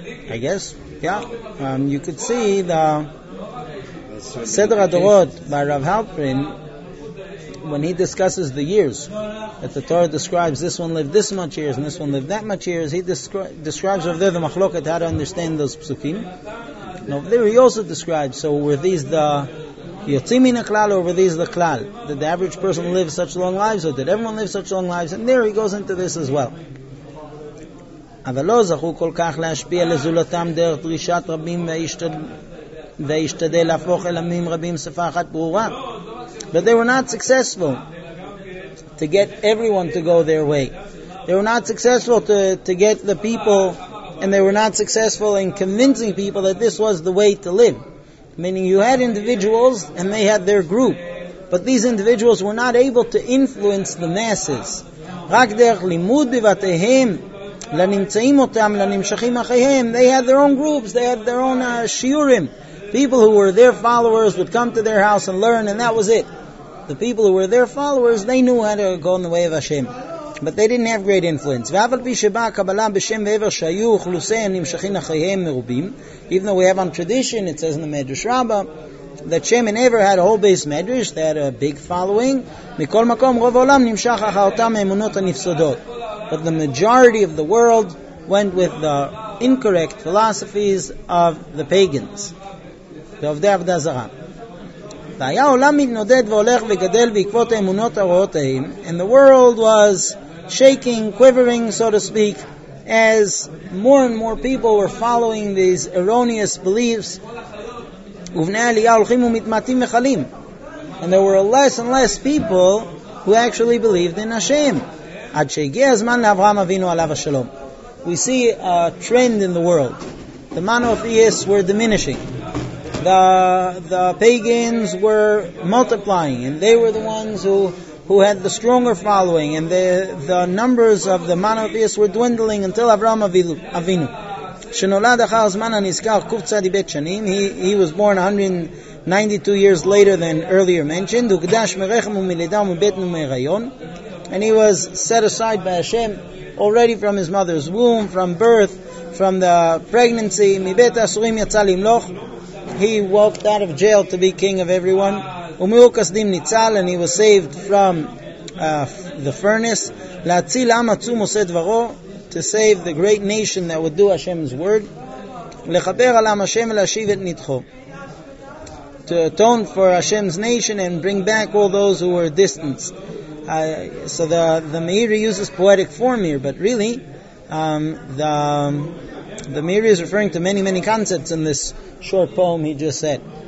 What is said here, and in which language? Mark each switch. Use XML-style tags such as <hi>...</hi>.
<en>I guess, yeah. You could see the Sedra Dorot by Rav Halperin when he discusses the years that the Torah describes, this one lived this much years and this one lived that much years. He describes over there the machloket, how to understand those psukim. Now over there he also describes, so were these the yotzim min haklal or were these the klal? Did the average person live such long lives or did everyone live such long lives? And there he goes into this as well.</en> <he>אבל לא זכו כל כך להשפיע לזולתם דרך דרישת רבים והשתדל להפוך אל עמים רבים שפה אחת ברורה.</he> <en>But they were not successful to get everyone to go their way. They were not successful to get the people, and they were not successful in convincing people that this was the way to live. Meaning you had individuals and they had their group. But these individuals were not able to influence the masses.</en> <he>רק דרך לימוד בבתיהם לנמצאים אותם, לנמשכים אחיהם.</he> <en>They had their own groups, they had their own shiurim. People who were their followers would come to their house and learn, and that was it. The people who were their followers, they knew how to go in the way of Hashem. But they didn't have great influence.</en> <he>ואף על פי שבא הקבלה בשם ועבר שהיו אוכלוסי הנמשכים אחיהם מרובים,</he> <en>even though we have on tradition, it says in the Medrash Rabbah, that Shem and Ever had a whole base medrash, they had a big following.</en> <he>מכל מקום רוב העולם נמשך אחר אותם האמונות הנפסדות.</he> <en>But the majority of the world went with the incorrect philosophies of the pagans.</en> <he>ועובדי עבדה זרה. והיה עולם מתנודד והולך וגדל בעקבות האמונות הרעות ההם.</he> <en>And the world was shaking, quivering, so to speak, as more and more people were following these erroneous beliefs.</en> <he>ובני העלייה הולכים ומתמעטים מחלים.</he> <en>And there were less and less people who actually believed in Hashem.</en> <he>עד שהגיע הזמן לאברהם אבינו עליו השלום.</he> <en>We see a trend in the world. The monotheists were diminishing. The pagans were multiplying, and they were the ones who had the stronger following, and the numbers of the monotheists were dwindling until Avraham Avinu.</en> <he>שנולד אחר הזמן הנזכר קופצדי בית שנים.</he> <en>He was born 192 years later than earlier mentioned.</en> <he>הוקדש מרחם ומלידה ומבית ומהיריון.</he> <en>And he was set aside by Hashem already from his mother's womb, from birth, from the pregnancy.</en> <he>מבית אסורים יצא למלוך.</he> <en>He walked out of jail to be king of everyone.</en> <he>ומאור כשדים ניצל,</he> <en>and he was saved from the furnace.</en> <he>להציל עם עצום עושה דברו,</he> <en>to save the great nation that would do Hashem's word.</en> <he>לחבר על עם השם ולהשיב את נדחו.</he> <en>To atone for Hashem's nation and bring back all those who were distanced. So the Meiri uses poetic form here, but really, the Meiri is referring to many, many concepts in this short poem he just said.</en>